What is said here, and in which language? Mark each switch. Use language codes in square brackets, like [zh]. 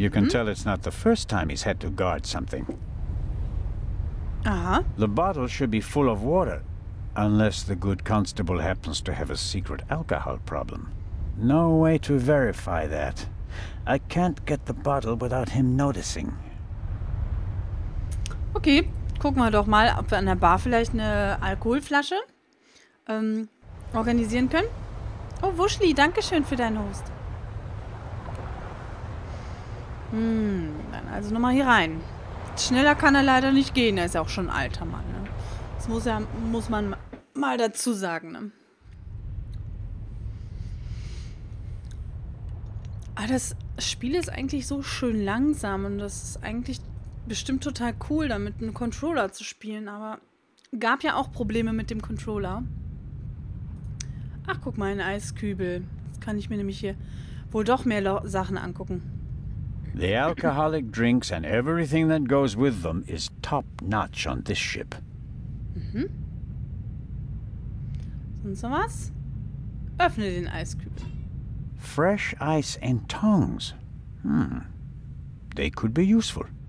[en] You can tell it's not the first time he's had to guard something. Aha. The bottle should be full of water. Unless the good constable happens to have a secret alcohol problem. No way to verify that. I can't get the bottle without him noticing. Okay. [de] Gucken wir doch mal, ob wir an der Bar vielleicht eine Alkoholflasche organisieren können. Oh, Wuschli, danke schön für deinen Host. Hm, dann also nochmal hier rein. Schneller kann er leider nicht gehen, er ist ja auch schon ein alter Mann. Ne? Das muss, ja, muss man mal dazu sagen. Ne? Aber das Spiel ist eigentlich so schön langsam und das ist eigentlich... Bestimmt total cool, damit einen Controller zu spielen, aber gab ja auch Probleme mit dem Controller. Ach, guck mal, ein Eiskübel. Jetzt kann ich mir nämlich hier wohl doch mehr Sachen angucken. [en] The alcoholic drinks and everything that goes with them is top notch on this ship. Mhm. [de] Sonst noch was? Öffne den Eiskübel. [en] Fresh ice and tongs. Hm. They could be useful.